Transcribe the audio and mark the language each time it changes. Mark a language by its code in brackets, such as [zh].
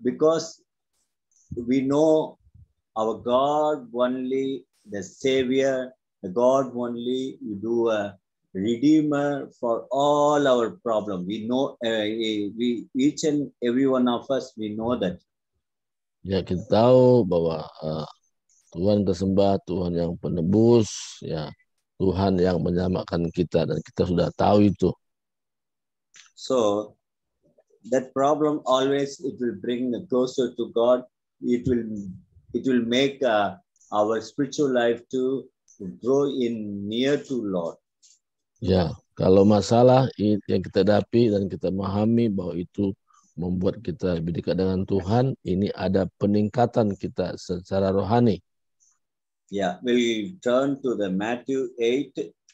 [en] Because we know our God only, the Savior, the God only, you do a Redeemer for all our problems. We know, we each and every one of us, we know that. [id] Ya, kita tahu bahwa Tuhan tersembah, Tuhan yang penebus, ya, Tuhan yang menyelamatkan kita, dan kita sudah tahu itu. [en] So, that problem always, it will bring closer to God. It will make our spiritual life to draw in near to Lord. [id] Ya, kalau masalah yang kita hadapi dan kita memahami bahwa itu membuat kita lebih dekat dengan Tuhan, ini ada peningkatan kita secara rohani. [en] Ya, yeah, we turn to the Matthew 8:18.